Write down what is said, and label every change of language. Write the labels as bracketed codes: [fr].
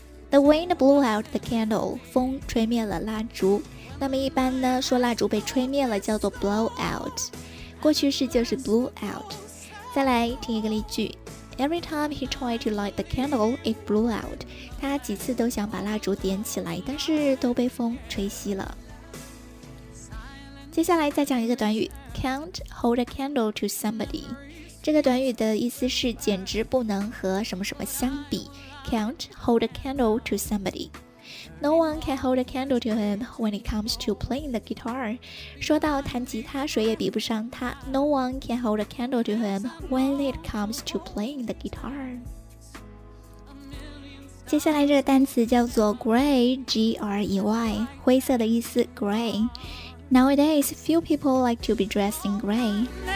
[en] The wind blew out the candle, [zh] 风吹灭了蜡烛。那么一般呢，说蜡烛被吹灭了叫做 blow out， 过去式就是 blew out。再来听一个例句， [en] Every time he tried to light the candle, it blew out. [zh] 他几次都想把蜡烛点起来，但是都被风吹熄了。接下来再讲一个短语， [en] can't hold a candle to somebody。 [zh] 这个短语的意思是简直不能和什么什么相比。 [en] can't hold a candle to somebody， No one can hold a candle to him when it comes to playing the guitar. [zh] 说到弹吉他，谁也比不上他。 [en] No one can hold a candle to him when it comes to playing the guitar. [zh] 接下来这个单词叫做 grey, G-R-E-Y, 灰色的意思 grey. [en] Nowadays, few people like to be dressed in grey.